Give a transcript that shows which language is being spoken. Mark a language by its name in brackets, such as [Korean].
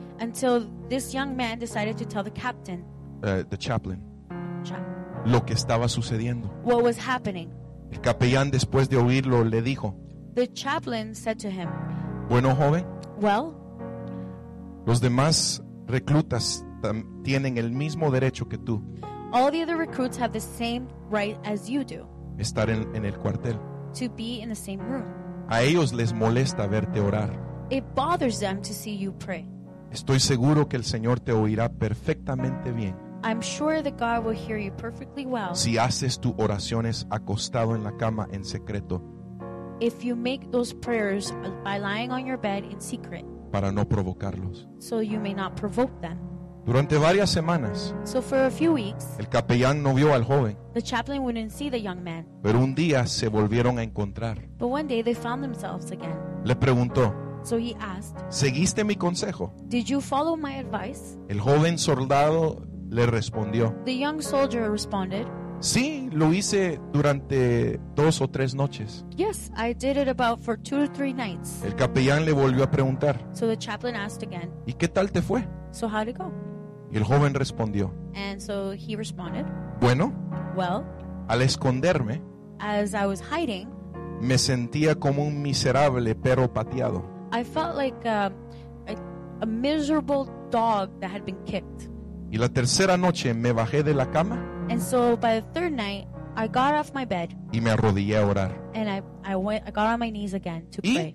[English] Until this young man decided to tell the captain. The chaplain. [Spanish] Lo que estaba sucediendo. [English] What was happening. [Spanish] El capellán, después de oírlo, le dijo. [English] The chaplain said to him. [Spanish] Bueno, joven. [English] Well. [Spanish] Los demás reclutas tienen el mismo derecho que tú. [English] All the other recruits have the same right as you do. [Spanish] Estar en el cuartel. [English] To be in the same room. [Spanish] A ellos les molesta verte orar. [English] It bothers them to see you pray. [Spanish] Estoy seguro que el Señor te oirá perfectamente bien. [English] I'm sure that God will hear you perfectly well. [Spanish] Si haces tus oraciones acostado en la cama en secreto. [English] If you make those prayers by lying on your bed in secret. [Spanish] Para no provocarlos. [English] So you may not provoke them. [Spanish] Durante varias semanas. [English] So for a few weeks. [Spanish] El capellán no vio al joven. [English] The chaplain wouldn't see the young man. [Spanish] Pero un día se volvieron a encontrar. [English] But one day they found themselves again. [Spanish] Le preguntó. [English] So he asked. [Spanish] ¿Seguiste mi consejo? [English] Did you follow my advice? [Spanish] El joven soldado le respondió. [English] The young soldier responded. [Spanish] Sí, lo hice durante dos o tres noches. [English] Yes, I did it about for two or three nights. [Spanish] El capellán le volvió a preguntar. [English] So the chaplain asked again. [Spanish] ¿Y qué tal te fue? [English] So how'd it go? [Spanish] Y el joven respondió. [English] And so he responded. [Spanish] Bueno. [English] Well. [Spanish] Al esconderme. [English] As I was hiding. [Spanish] Me sentía como un miserable perro pateado. [English] I felt like a miserable dog that had been kicked. [Spanish] Y la tercera noche me bajé de la cama. [English] And so by the third night, I got off my bed. [Spanish] Y me arrodillé a orar. [English] And I got on my knees again to pray.